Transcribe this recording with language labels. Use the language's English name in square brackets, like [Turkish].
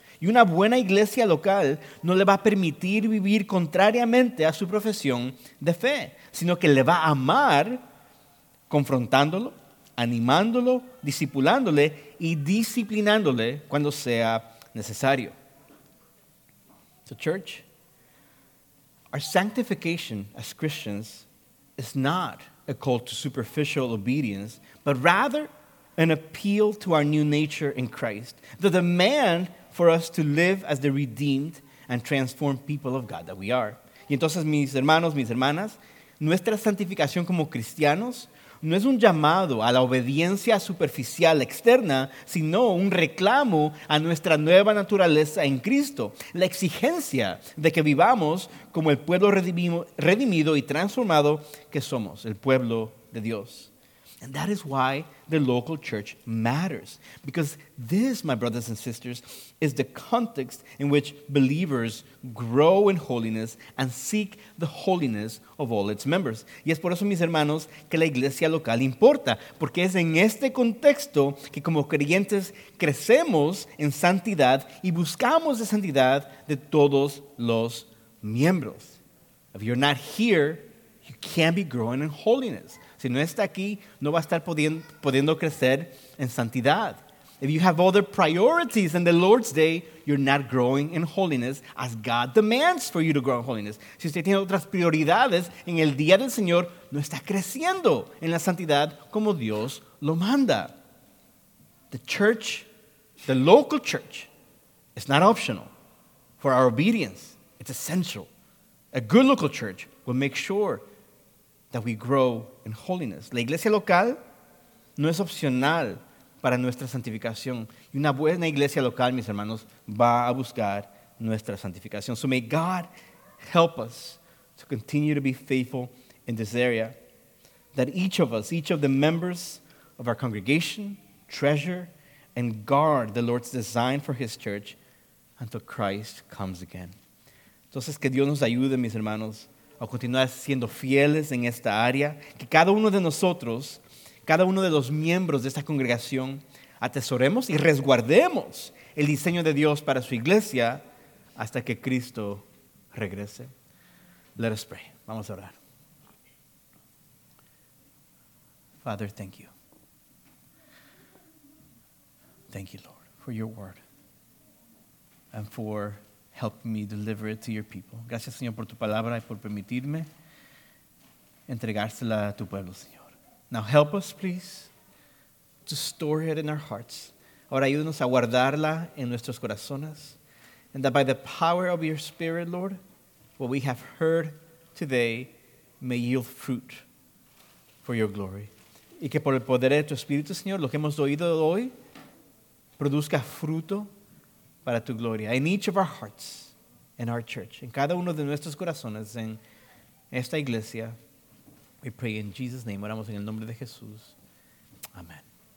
[Spanish] Y una buena iglesia local no le va a permitir vivir contrariamente a su profesión de fe, sino que le va a amar confrontándolo, animándolo, discipulándole y disciplinándole cuando sea necesario. [English] So, church, our sanctification as Christians is not a call to superficial obedience, but rather an appeal to our new nature in Christ, the demand for us to live as the redeemed and transformed people of God that we are. [Spanish] Y entonces, mis hermanos, mis hermanas, nuestra santificación como cristianos no es un llamado a la obediencia superficial externa, sino un reclamo a nuestra nueva naturaleza en Cristo, la exigencia de que vivamos como el pueblo redimido y transformado que somos, el pueblo de Dios. [English] And that is why the local church matters. Because this, my brothers and sisters, is the context in which believers grow in holiness and seek the holiness of all its members. [Spanish] Y es por eso, mis hermanos, que la iglesia local importa. Porque es en este contexto que como creyentes crecemos en santidad y buscamos la santidad de todos los miembros. [English] If you're not here, you can't be growing in holiness. [Spanish] Si no está aquí, no va a estar pudiendo crecer en santidad. [English] If you have other priorities in the Lord's Day, you're not growing in holiness as God demands for you to grow in holiness. [Spanish] Si usted tiene otras prioridades en el día del Señor, no está creciendo en la santidad como Dios lo manda. [English] The church, the local church, is not optional for our obedience. It's essential. A good local church will make sure that we grow in holiness. [Spanish] La iglesia local no es opcional para nuestra santificación. Y una buena iglesia local, mis hermanos, va a buscar nuestra santificación. [English] So may God help us to continue to be faithful in this area. That each of us, each of the members of our congregation, treasure and guard the Lord's design for his church until Christ comes again. [Spanish] Entonces, que Dios nos ayude, mis hermanos, a continuar siendo fieles en esta área, que cada uno de nosotros, cada uno de los miembros de esta congregación, atesoremos y resguardemos el diseño de Dios para su iglesia hasta que Cristo regrese. [English] Let us pray. [Spanish] Vamos a orar. [English] Father, thank you. Thank you, Lord, for your word and for help me deliver it to your people. [Spanish] Gracias, Señor, por tu palabra y por permitirme entregársela a tu pueblo, Señor. [English] Now help us, please, to store it in our hearts. [Spanish] Ahora ayúdanos a guardarla en nuestros corazones. [English] And that by the power of your Spirit, Lord, what we have heard today may yield fruit for your glory. [Spanish] Y que por el poder de tu Espíritu, Señor, lo que hemos oído hoy produzca fruto para tu gloria, [English] in each of our hearts, in our church, [Spanish] en cada uno de nuestros corazones, en esta iglesia, [English] we pray in Jesus' name, [Spanish] oramos en el nombre de Jesús, amen.